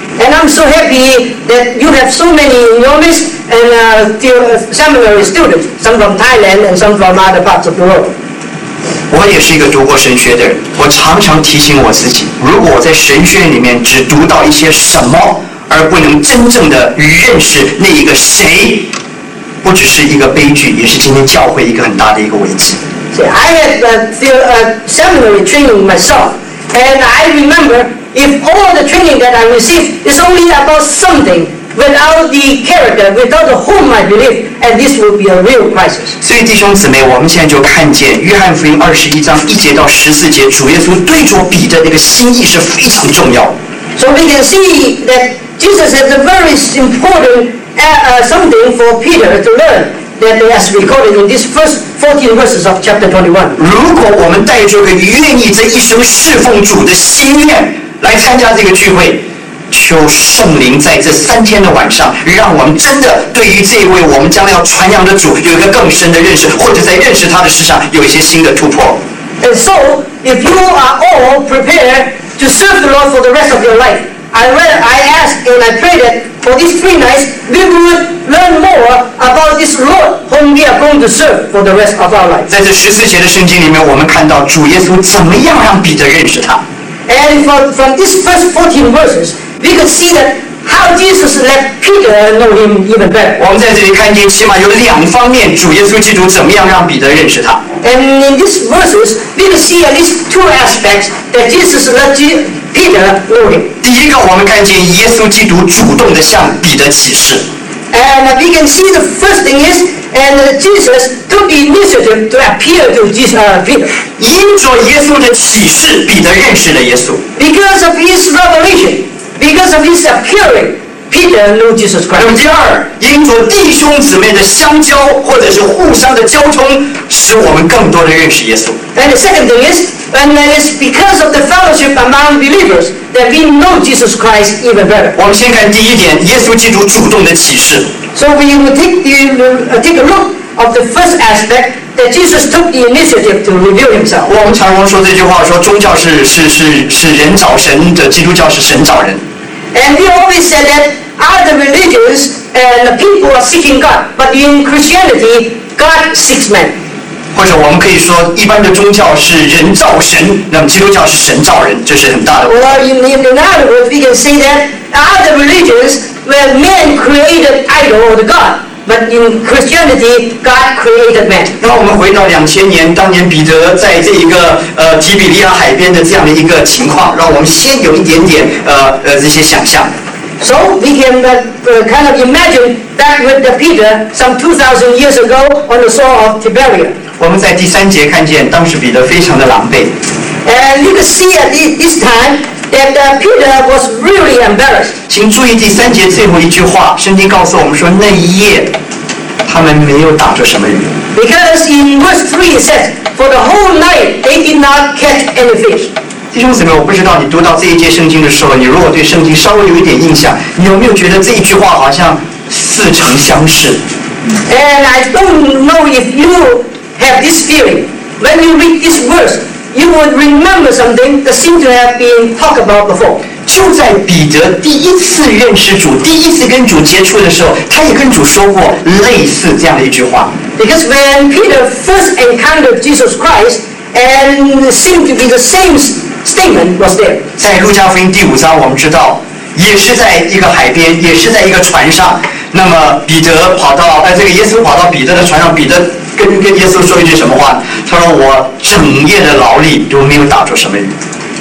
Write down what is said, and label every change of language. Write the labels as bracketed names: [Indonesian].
[English] And I'm so happy that you have so many enormous and seminary students, some from Thailand and some from other parts of the world. [Chinese] 我也是一个读过神学的人，我常常提醒我自己，如果我在神学里面只读到一些什么。而不能真正的认识那一个谁，不只是一个悲剧，也是今天教会一个很大的一个危机。 [English] See, I had seminary training myself, and I remember if all the training that I received is only about something without the character, without whom I believe, and this will be a real crisis. [Chinese] 所以弟兄姊妹，我们现在就看见约翰福音二十一章一节到十四节，主耶稣对着彼得那个心意是非常重要。 [English] So we can see that. Jesus has a very important something for Peter to learn that as recorded in these first 14 verses of chapter 21. [Chinese] 如果我们带着个愿意这一生侍奉主的心愿来参加这个聚会，求圣灵在这三天的晚上，让我们真的对于这位我们将来要传扬的主有一个更深的认识，或者在认识他的事上有一些新的突破。 [English] And so, if you are all prepared to serve the Lord for the rest of your life,I ask and I pray that for these three nights we would learn more about this Lord whom we are going to serve for the rest of our life. [Chinese] 在这十四节的圣经里面，我们看到主耶稣怎么样让彼得认识他。 [English] And from these first 14 verses, we could see that how Jesus let Peter know him even better. [Chinese] 我们在这里看见，起码有两方面，主耶稣基督怎么样让彼得认识他。 [English] And in these verses, we could see at least two aspects that Jesus let Peter know him. [Chinese] 第一个，我们看见耶稣基督主动地向彼得启示。 [English] And we can see the first thing is, and Jesus took the initiative to appear to Peter. [Chinese] 因着耶稣的启示，彼得认识了耶稣。 [English] Because of his revelation, because of his appearing, Peter knew Jesus Christ. [Chinese] 那么第二，因着弟兄姊妹的相交或者是互相的交通，使我们更多地认识耶稣。 [English] And the second thing is. And that is because of the fellowship among believers that we know Jesus Christ even better. [Chinese] 我们先看第一点，耶稣基督主动的启示。 [English] So we will take a look of the first aspect that Jesus took the initiative to reveal himself. [Chinese] 我们常常说这句话，说宗教是人找神的，基督教是神找人。 [English] And we always said that other religions and people are seeking God, but in Christianity, God seeks men. [Chinese] 或者我们可以说，一般的宗教是人造神，那么基督教是神造人，这是很大的。 [English] Well, in other words, we can say that other religions were men created idol or the god, but in Christianity, God created man. [Chinese] 那我们回到2000年，当年彼得在这一个提比利亚海边的这样的一个情况，让我们先有一点点这些想象。 [English] So we can kind of imagine back with the Peter some 2,000 years ago on the shore of Tiberias. [Chinese] 我们在第三节看见，当时彼得非常的狼狈。 [English] And you can see at this time that Peter was really embarrassed. [Chinese] 请注意第三节最后一句话，圣经告诉我们说，那一夜他们没有打着什么鱼。 [English] Because in verse 3 it says, for the whole night they did not catch any fish. [Chinese] 弟兄姊妹，我不知道你读到这一节圣经的时候，你如果对圣经稍微有一点印象，你有没有觉得这一句话好像似曾相识 [English] ？And I don't know if you. Have this feeling. When you read this verse, you would remember something that seemed to have been talked about before. [Chinese] 就在彼得第一次认识主，第一次跟主接触的时候，他也跟主说过类似这样的一句话。 Because when Peter first encountered Jesus Christ, and seemed to be the same statement was there. 在路加福音第五章，我们知道也是在一个海边，也是在一个船上。那么彼得跑到，这个耶稣跑到彼得的船上，彼得跟耶稣说一句什么话？他说：“我整夜的劳力都没有打着什么鱼。”